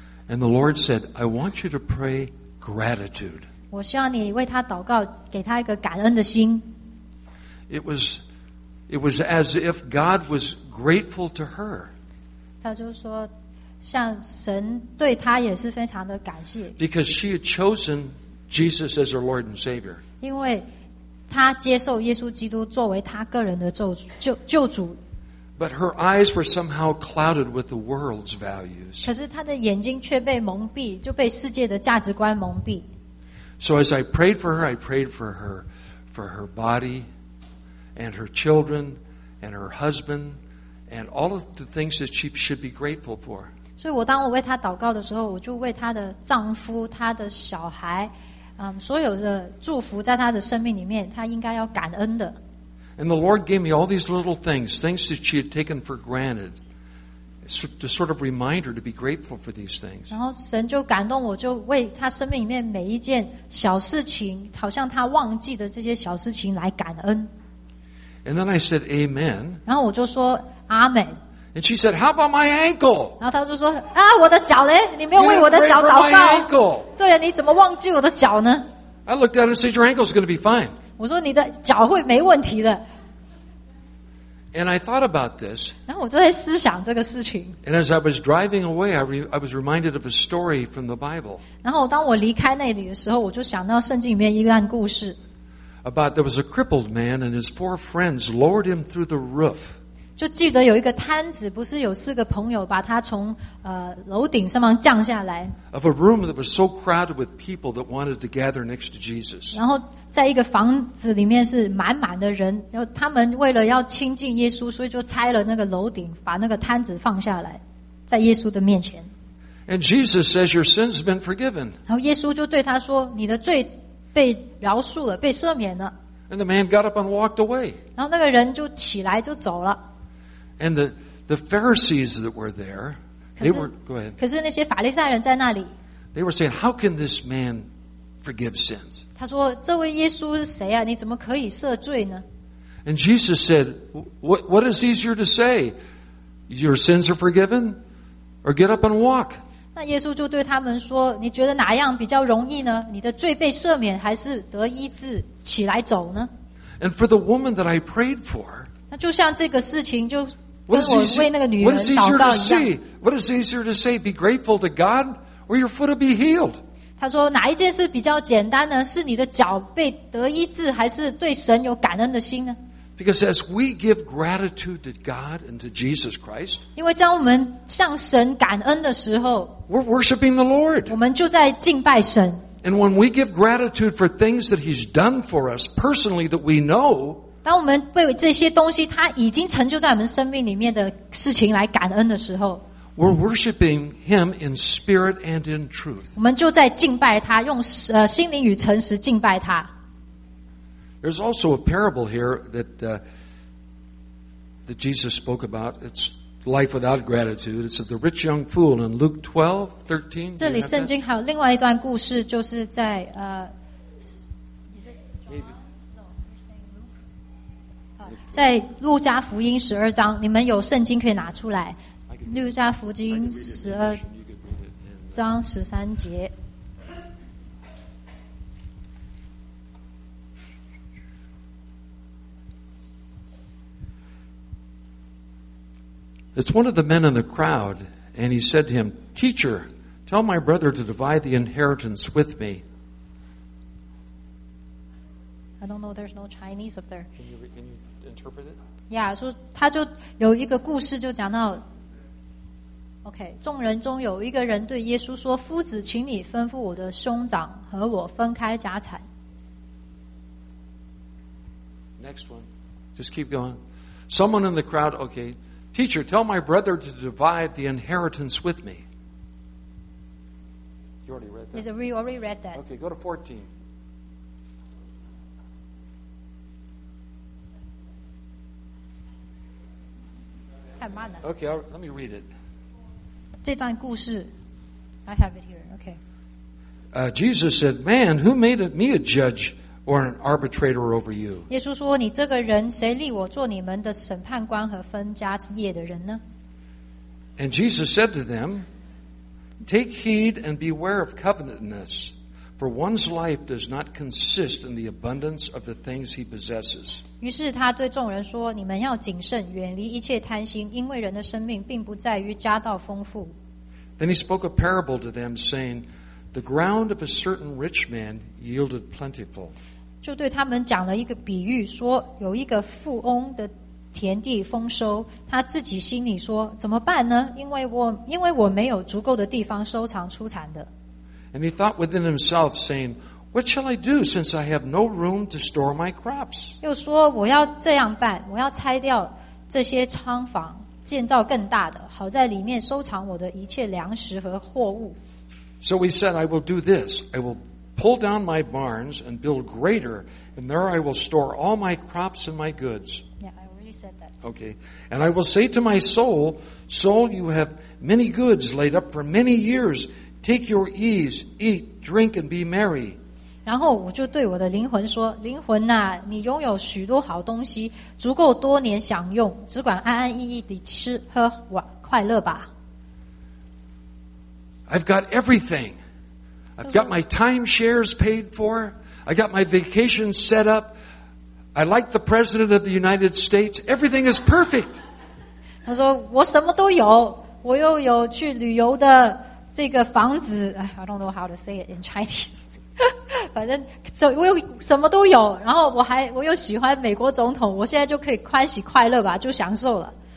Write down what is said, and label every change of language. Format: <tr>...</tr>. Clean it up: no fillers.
<en>And the Lord said, I want you to pray gratitude.</en> <zh>我希望你为她祷告，给她一个感恩的心。</zh> <en>It was as if God was grateful to her.</en> <zh>她就说，像神对她也是非常的感谢。</zh> <en>Because she had chosen Jesus as her Lord and Savior.</en> <zh>因为他接受耶稣基督作为他个人的救主。</zh> <en>But her eyes were somehow clouded with the world's values.</en> <zh>可是他的眼睛却被蒙蔽，就被世界的价值观蒙蔽。</zh> <en>So as I prayed for her, I prayed for her body, and her children, and her husband, and all of the things that she should be grateful for.</en> <zh>所以我当我为她祷告的时候，我就为她的丈夫、她的小孩，所有的祝福在她的生命里面，她应该要感恩的。</zh> <en>And the Lord gave me all these little things, things that she had taken for granted, to sort of remind her to be grateful for these things.</en> <zh>然后神就感动我，就为她生命里面每一件小事情，好像她忘记的这些小事情来感恩。</zh> <en>And then I said, Amen.</en> <zh>然后我就说阿们。</zh> <en>And she said, How about my ankle?</en> <zh>然后她就说啊，我的脚嘞，你没有为我的脚祷告。</zh> <en>You didn't pray for my ankle.</en> <zh>对呀，你怎么忘记我的脚呢？</zh> <en>I looked at her and said, Your ankle is going to be fine.</en> <zh>我说你的脚会没问题的。</zh> <en>And I thought about this.</en> <zh>然后我就在思想这个事情。</zh> <en>And as I was driving away, I was reminded of a story from the Bible.</en> <zh>然后当我离开那里的时候，我就想到圣经里面一段故事。</zh> <en>About there was a crippled man and his four friends lowered him through the roof.</en> <zh>就记得有一个摊子，不是有四个朋友把他从楼顶上方降下来。</zh> <en>Of a room that was so crowded with people that wanted to gather next to Jesus.</en> <zh>然后在一个房子里面是满满的人，然后他们为了要亲近耶稣，所以就拆了那个楼顶，把那个摊子放下来，在耶稣的面前。</zh> <en>And Jesus says, "Your sins have been forgiven."</en> <zh>然后耶稣就对他说，你的罪。被饶恕了，被赦免了。</zh> <en>And the man got up and walked away.</en> <zh>然后那个人就起来就走了。</zh> <en>And the Pharisees that were there, they were go ahead.</en> <zh>可是那些法利赛人在那里。</zh> <en>They were saying, "How can this man forgive sins?"</en> <zh>他说：“这位耶稣是谁啊？你怎么可以赦罪呢？”</zh> <en>And Jesus said, "What is easier to say, your sins are forgiven, or get up and walk?"</en> <zh>那耶稣就对他们说：“你觉得哪样比较容易呢？你的罪被赦免，还是得医治起来走呢？”</zh> <en>And for the woman that I prayed for,</en> <zh>那就像这个事情，就跟我为那个女人祷告一样。</zh> <en>What is easier to say? Be grateful to God, or your foot will be healed.</en> <zh>他说：“哪一件事比较简单呢？是你的脚被得医治，还是对神有感恩的心呢？”</zh> <en>Because as we give gratitude to God and to Jesus Christ,</en> <zh>因为当我们向神感恩的时候。</zh> <en>We're worshiping the Lord.</en> <zh>我们就在敬拜神。</zh> <en>And when we give gratitude for things that He's done for us personally that we know,</en> <zh>当我们为这些东西他已经成就在我们生命里面的事情来感恩的时候，</zh> <en>we're worshiping Him in spirit and in truth.</en> <zh>我们就在敬拜他，用心灵与诚实敬拜他。</zh> <en>There's also a parable here that Jesus spoke about. It's life without gratitude. It's the rich young fool in Luke 12:13.</en> <zh>这里圣经还有另外一段故事，就是在在路加福音十二章，你们有圣经可以拿出来。路加福音十二章十三节。</zh> <en>It's one of the men in the crowd, and he said to him, Teacher, tell my brother to divide the inheritance with me. I don't know, there's no Chinese up there. Can you interpret it? Yeah, so</en> <zh>他就有一个故事就讲到 OK, 众人中有一个人对耶稣说夫子请你吩咐我的兄长和我分开家产</zh> <en>Next one, just keep going. Someone in the crowd, OK,Teacher, tell my brother to divide the inheritance with me. You already read that. We already read that. Okay, go to 14. Okay, let me read it.</en> <zh>这段故事</zh> <en>I have it here. Okay. Jesus said, Man, who made me a judge or an arbitrator over you?</en> <zh>耶稣说你这个人谁立我做你们的审判官和分家业的人呢？</zh> <en>And Jesus said to them, Take heed and beware of covetousness, for one's life does not consist in the abundance of the things he possesses.</en> <zh>于是他对众人说你们要谨慎远离一切贪心因为人的生命并不在于家道丰富。</zh> <en>Then he spoke a parable to them saying,The ground of a certain rich man yielded plentiful.</en> <zh>就对他们讲了一个比喻，说有一个富翁的田地丰收，他自己心里说怎么办呢？因为我没有足够的地方收藏出产的。</zh> <en>And he thought within himself, saying, "What shall I do, since I have no room to store my crops?"</en> <zh>又说我要这样办，我要拆掉这些仓房，建造更大的，好在里面收藏我的一切粮食和货物。</zh> <en>So he said, I will do this. I will pull down my barns and build greater, and there I will store all my crops and my goods. Yeah, I already said that. Okay. And I will say to my soul, Soul, you have many goods laid up for many years. Take your ease, eat, drink, and be merry.</en> <zh>然后我就对我的灵魂说，灵魂啊，你拥有许多好东西，足够多年享用，只管安安逸逸地吃喝快乐吧。</zh> <en>I've got everything. I've got my timeshares paid for. I got my vacation set up. I like the President of the United States. Everything is perfect.</en> <zh>他说我什么都有，我又有去旅游的这个房子。</zh> <en>I don't know how to say it in Chinese.</en> <zh>反正我有什么都有，然后我又喜欢美国总统，我现在就可以欢喜快乐吧，就享受了。</zh>